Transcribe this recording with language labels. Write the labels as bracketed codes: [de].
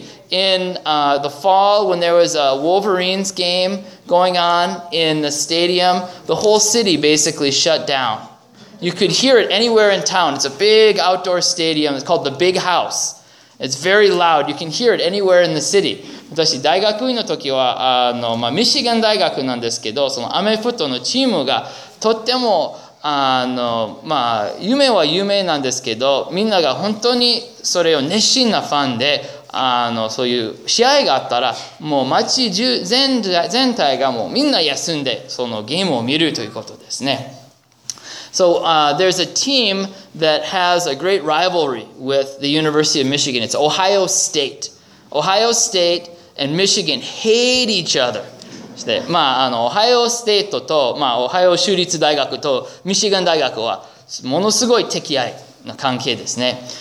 [en] In the fall when there was a Wolverines game going on in the stadium, the whole city basically shut down. You could hear it anywhere in town. It's a big outdoor stadium. It's called the Big House. It's very loud. You can hear it anywhere in the city. [ja] 私大学院の時はまあ、ミシガン大学なんですけど、そのアメフトのチームがとってもまあ、夢は有名なんですけど、みんなが本当にそれを熱心なファンで、そういう試合があったら、もう街全体がもうみんな休んで、そのゲームを見るということですね。 [en] So, there's a team that has a great rivalry with the University of Michigan. It's Ohio State. Ohio State and Michigan hate each other. [ja] まあ、Ohio State と、まあ、Ohio 州立大学と、ミシガン大学は、ものすごい敵合いの関係ですね。